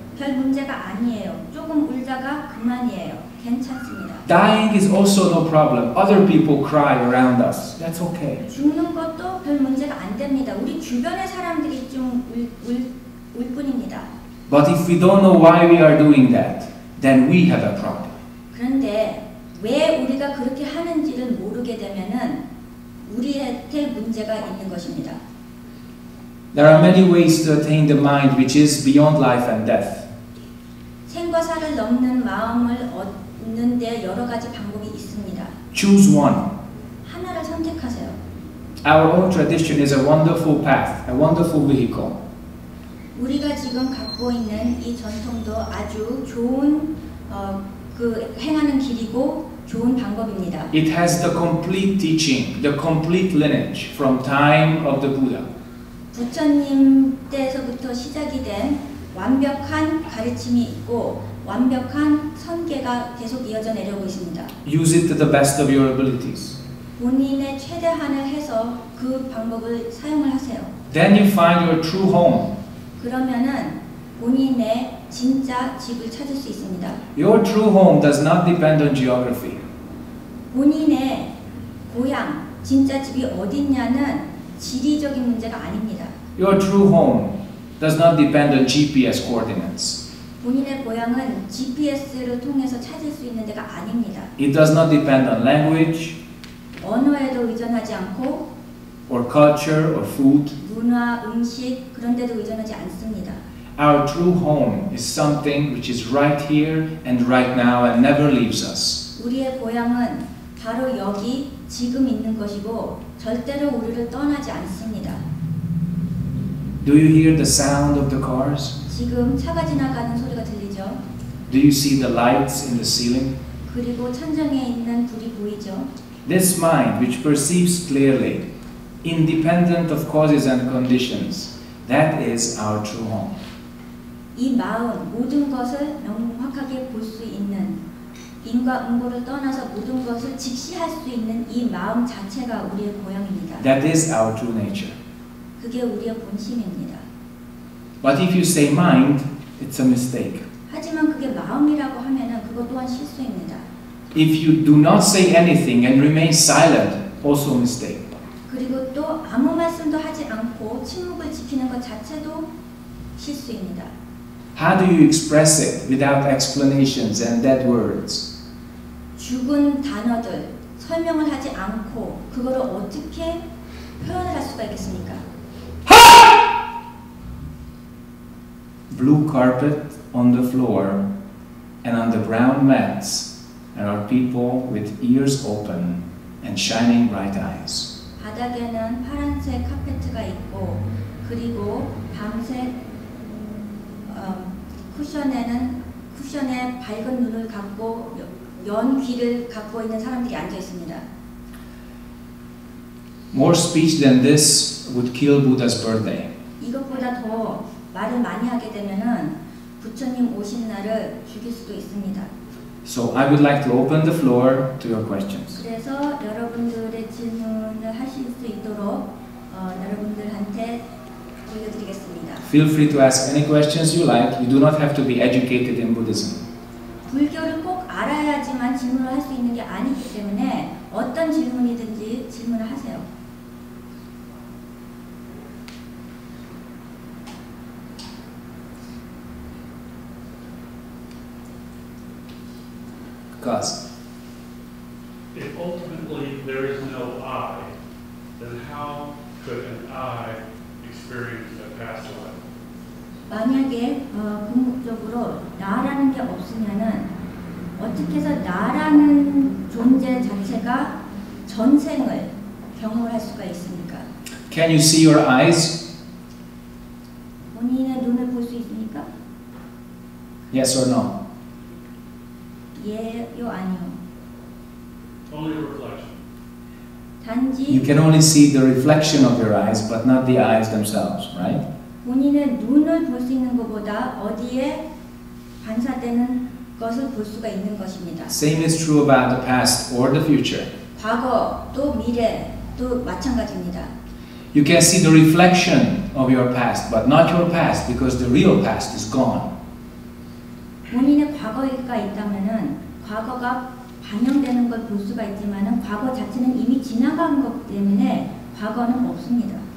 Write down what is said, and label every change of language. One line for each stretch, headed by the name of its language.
Korean: 별 문제가 아니에요. 조금 울다가 그만이에요. 괜찮습니다.
English: Dying is also no problem. Other people cry around us. That's okay.
Korean: 죽는 것도 별 문제가 안 됩니다. 우리 주변의 사람들이 좀 울 뿐입니다.
English: But if we don't know why we are doing that, then we have a problem.
Korean: 그런데 왜 우리가 그렇게 하는지를 모르게 되면은 우리한테 문제가 있는 것입니다.
English: There are many ways to attain the mind which is beyond life and death.
Korean: 생과 사를 넘는 마음을 얻는 데 여러 가지 방법이 있습니다.
English: Choose one.
Korean: 하나를 선택하세요.
English: Our own tradition is a wonderful path, a wonderful vehicle.
Korean: 우리가 지금 갖고 있는 이 전통도 아주 좋은 그 행하는 길이고 좋은 방법입니다.
English: It has the complete teaching, the complete lineage from time of the Buddha.
Korean: 부처님 때에서부터 시작이 된 완벽한 가르침이 있고 완벽한 선계가 계속 이어져 내려오고 있습니다.
English: Use it to the best of your abilities.
Korean: 본인의 최대한을 해서 그 방법을 사용을 하세요.
English: Then you find your true home.
Korean: 그러면은 본인의 진짜 집을 찾을 수 있습니다.
English: Your true home does not depend on geography.
Korean: 본인의 고향, 진짜 집이 어디냐는 지리적인 문제가 아닙니다.
English: Your true home does not depend on GPS coordinates.
Korean: 본인의 고향은 GPS를 통해서 찾을 수 있는 데가 아닙니다.
English: It does not depend on language.
Korean: 언어에도 의존하지 않고
English: or culture or food.
Korean: 문화, 음식 그런 데도 의존하지 않습니다.
English: Our true home is something which is right here and right now and never leaves us.
Korean: 우리의 고향은 바로 여기 지금 있는 것이고 절대로 우리를 떠나지 않습니다.
English: Do you hear the sound of the cars?
Korean: 지금 차가 지나가는 소리가 들리죠?
English: Do you see the lights in the ceiling?
Korean: 그리고 천장에 있는 불이 보이죠?
English: This mind which perceives clearly, independent of causes and conditions, that is our true home.
Korean: 이 마음 모든 것을 명확하게 볼 수 있는 인과 응고를 떠나서 모든 것을 직시할 수 있는 이 마음 자체가 우리의 고향입니다.
English: That is our true nature.
Korean: 그게 우리의 본심입니다.
English: But if you say mind, it's a mistake.
Korean: 하지만 그게 마음이라고 하면은 그것 또한 실수입니다.
English: If you do not say anything and remain silent, also a mistake.
Korean: 그리고 또 아무 말씀도 하지 않고 침묵을 지키는 것 자체도 실수입니다.
English: How do you express it without explanations and dead words?
Korean: 죽은 단어들 설명을 하지 않고 그거를 어떻게 표현을 할 수가 있겠습니까? Ha!
English: Blue carpet on the floor and on the brown mats there are people with ears open and shining bright eyes.
Korean: 바닥에는 파란색 카펫이 있고 그리고 밤색 쿠션에 밝은 눈을 갖고 연 귀를 갖고 있는 사람들이 앉아 있습니다.
English: More speech than this would kill Buddha's birthday.
Korean: 이것보다 더 말을 많이 하게 되면은 부처님 오신 날을 죽일 수도 있습니다.
English: So I would like to open the floor to your questions.
Korean: 그래서 여러분들의 질문을 하실 수 있도록 여러분들한테 올려드리겠습니다.
English: Feel free to ask any questions you like. You do not have to be educated in Buddhism.
Korean: 불교를 꼭 알아야지만 질문을 할 수 있는 게 아니기 때문에 어떤 질문이든지 질문을 하세요.
English: Because if ultimately there is no I, then how could an I experience a past life?
Korean: 만약에 궁극적으로 나라는 게 없으면은 어떻게 해서 나라는 존재 자체가 전생을 경험을 할 수가 있습니까?
English: Can you see your eyes?
Korean: 본인의 눈을 볼 수 있습니까?
English: Yes or no?
Korean: 예요 아니요.
English: Only reflection.
Korean: 단지
English: You can only see the reflection of your eyes, but not the eyes themselves, right?
Korean: 본인의 눈을 볼 수 있는 것보다 어디에 반사되는 것을 볼 수가 있는 것입니다.
English: Same is true about the past or the future.
Korean: 과거도 미래도 마찬가지입니다.
English: You can see the reflection of your past, but not your past, because the real past is gone.
Korean: 본인의 과거가 있다면은 과거가 반영되는 걸 볼 수가 있지만은 과거 자체는 이미 지나간 것 때문에 과거는 없습니다.